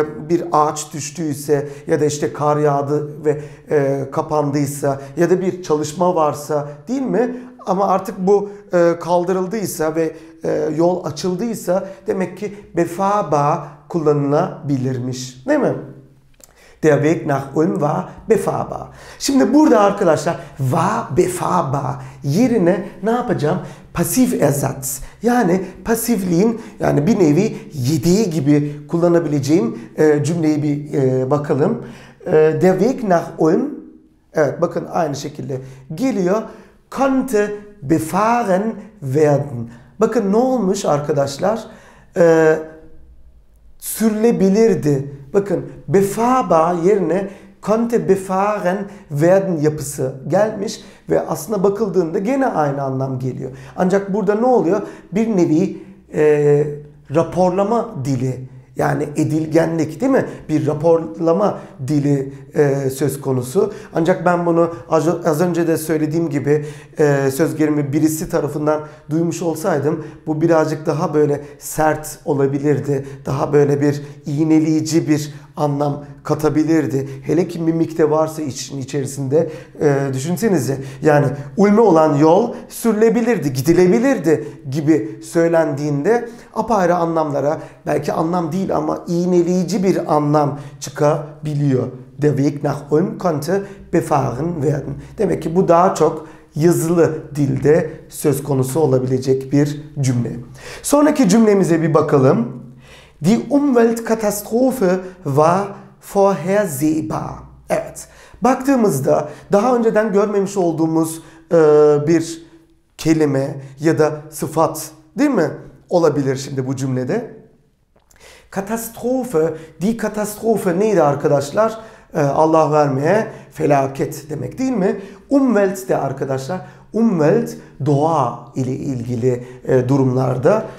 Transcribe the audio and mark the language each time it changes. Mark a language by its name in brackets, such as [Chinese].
[Turkish] Bir ağaç düştüyse ya da işte kar yağdı ve kapandıysa ya da bir çalışma varsa değil mi? Ama artık bu kaldırıldıysa ve yol açıldıysa demek ki befahrbar kullanılabilirmiş. Değil mi? [German] Der Weg nach Ulm war befahrbar. [Turkish] Şimdi burada arkadaşlar war befahrbar yerine ne yapacağım? Pasif ersatz. Yani pasifliğin, yani bir nevi yediği gibi kullanabileceğim cümleyi bir bakalım. [German] Der Weg nach Ulm. [Turkish] Evet, bakın aynı şekilde geliyor. [German] Konnte befahren werden. [Turkish] Bakın ne olmuş arkadaşlar? Sürülebilirdi. Bakın befahrbar yerine [German] konnte befahren werden [Turkish] yapısı gelmiş ve aslında bakıldığında gene aynı anlam geliyor. Ancak burada ne oluyor? Bir nevi raporlama dili, yani edilgenlik değil mi? Bir raporlama dili söz konusu. Ancak ben bunu az önce de söylediğim gibi söz gelimi birisi tarafından duymuş olsaydım, bu birazcık daha böyle sert olabilirdi. Daha böyle bir iğneleyici bir anlam katabilirdi. Hele ki mimik de varsa işin içerisinde, düşünsenize. Yani Ulm'e olan yol sürülebilirdi, gidilebilirdi gibi söylendiğinde apayrı anlamlara, belki anlam değil ama iğneleyici bir anlam çıkabiliyor. [German] Der Weg nach Ulm konnte befahren werden. [Turkish] Demek ki bu daha çok yazılı dilde söz konusu olabilecek bir cümle. Sonraki cümlemize bir bakalım. [German] Die Umweltkatastrophe war vorhersehbar. [Turkish] Evet. Baktığımızda daha önceden görmemiş olduğumuz bir kelime ya da sıfat, değil mi? Olabilir şimdi bu cümlede. Katastrophe, die Katastrophe neydi arkadaşlar? Allah vermeye, felaket demek değil mi? Umwelt de arkadaşlar, Umwelt doğa ile ilgili durumlarda.